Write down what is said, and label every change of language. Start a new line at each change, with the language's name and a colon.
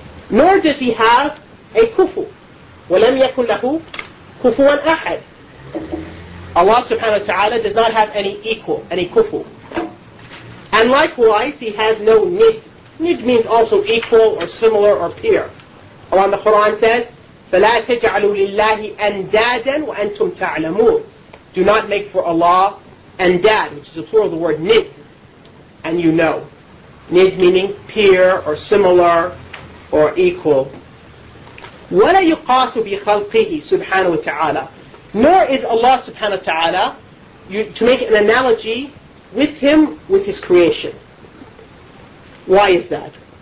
English: Nor does he have a kufu.
Arabic: وَلَمْ يَكُنْ لَهُ كُفُوًا أَحَدٍ.
English: Allah subhanahu wa ta'ala does not have any equal, any kufu. And likewise, he has no nid. Nid means also equal or similar or peer. Allah in the Quran says,
Arabic: فَلَا تَجْعَلُوا لِلَّهِ أَنْدَادًا وَأَنْتُمْ تَعْلَمُونَ.
English: Do not make for Allah andad, which is a plural of the word nid, and you know. Nid meaning peer or similar or equal.
Arabic: وَلَا يُقَاسُ بِخَلْقِهِ سُبْحَانَهُ وَتَعَالَى.
English: Nor is Allah subhanahu wa ta'ala, to make an analogy with him, with his creation. Why is that?